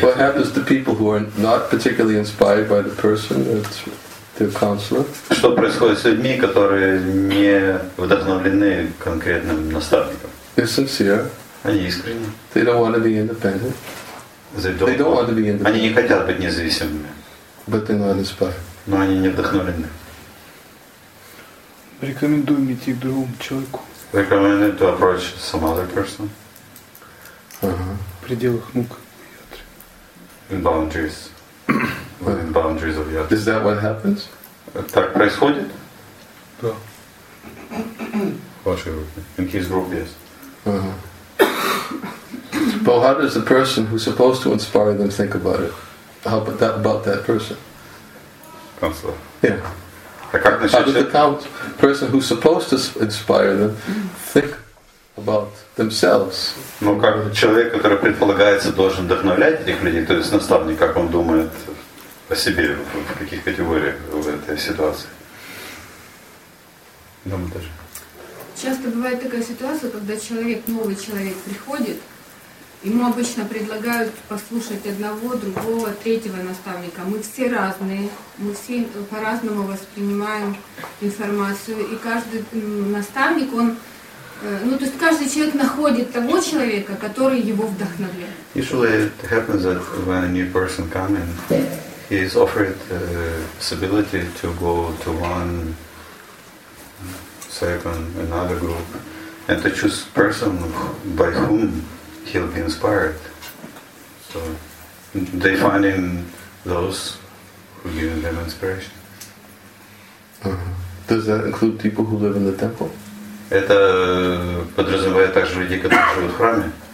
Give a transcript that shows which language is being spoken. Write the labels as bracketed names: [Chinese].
[English] What happens to people who are not particularly inspired by the person, the counselor? [Russian] Что происходит с людьми, которые не вдохновлены конкретным наставником? [English] They're sincere. [Russian] Они искренни. [English] They don't want to be independent. They don't want to be independent. [Russian] Они не хотят быть независимыми. [English] But they're not inspired. [Russian] Но они не вдохновлены. Рекомендуем идти к другому человеку. [English] Recommended to approach some other person. [Russian] В пределах мук ятры. [English] In boundaries. Within boundaries of ятры. Is that what happens? [Russian] Так происходит? Да. В вашей группе. [English] In his group, yes. But how does the person who's supposed to inspire them think about it? How about that person? Counselor. Yeah. How does the person who's supposed to inspire them think about themselves? [Russian] Ну как человек, который предполагается должен вдохновлять этих людей, то есть наставник, как он думает о себе в каких категориях в этой ситуации? Думаю даже. Часто бывает такая ситуация, когда человек новый человек приходит, ему обычно предлагают послушать одного, другого, третьего наставника. Мы все разные, мы все по-разному воспринимаем информацию. И каждый наставник, он... Ну, то есть каждый человек находит того человека, который его вдохновляет. [English] Usually it happens that when a new person comes in, he is offered the possibility to go to one, second, another group, and to choose person by whom he'll be inspired. So they find in those who give them inspiration. Does that include people who live in the temple? [Russian] Это подразумевает также людей, которые живут в храме?